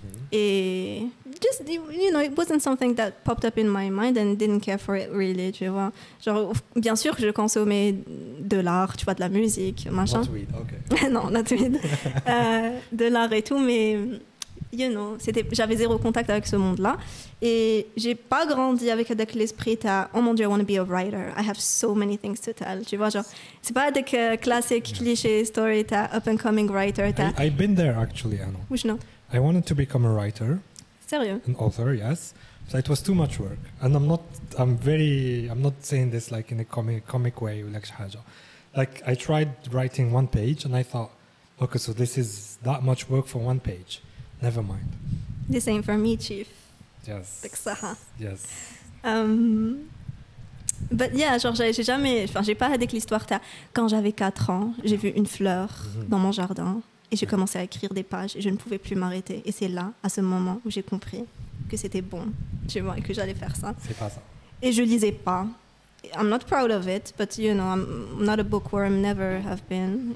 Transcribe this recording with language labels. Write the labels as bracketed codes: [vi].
[en] Et just, you know, it wasn't something that popped up in my mind and didn't care for it really, [fr] tu vois. Genre, bien sûr que je consommais de l'art, tu vois, de la musique, machin. [en] Not weed, okay. [fr] Non, [en] not weed. [fr] de l'art et tout, mais, [en] you know, [fr] j'avais zéro contact avec ce monde-là. Et j'ai pas grandi avec l'esprit de, oh mon Dieu, [en] I want to be a writer. I have so many things to tell. [fr] Tu vois, genre, c'est pas avec classique cliché [en] story de up-and-coming writer. I've been there, actually, Anna. Which not? I wanted to become a writer. [fr] Sérieux? [en] An author, yes. So it was too much work. And I'm not saying this like in a comic way. Like I tried writing one page and I thought, okay, so this is that much work for one page. Never mind. The same for me, chief. Yes. Bixaha. Yes. But yeah, [fr] genre j'ai pas avec l'histoire. Quand j'avais 4 ans, j'ai vu une fleur dans mon jardin. Et j'ai commencé à écrire des pages et je ne pouvais plus m'arrêter. Et c'est là, à ce moment, où j'ai compris que c'était bon, tu vois, et que j'allais faire ça. C'est pas ça. Et je lisais pas. [en] I'm not proud of it, but you know, I'm not a bookworm, never have been.